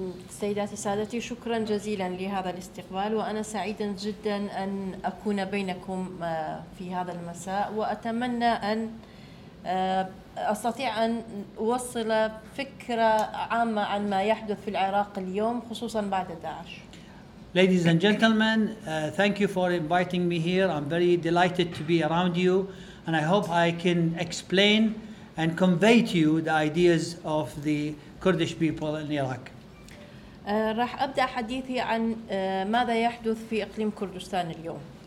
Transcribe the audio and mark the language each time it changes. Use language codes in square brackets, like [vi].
[ar] سيداتي سادتي شكرا جزيلا لهذا الاستقبال وأنا سعيدا جدا أن أكون بينكم في هذا المساء وأتمنى أن أستطيع أن أوصل فكرة عامة عن ما يحدث في العراق اليوم خصوصا بعد داعش. [en] Ladies and gentlemen, thank you for inviting me here. I'm very delighted to be around you and I hope I can explain and convey to you the ideas of the Kurdish people in Iraq. [ar] راح ابدا حديثي عن ماذا يحدث في اقليم كردستان اليوم.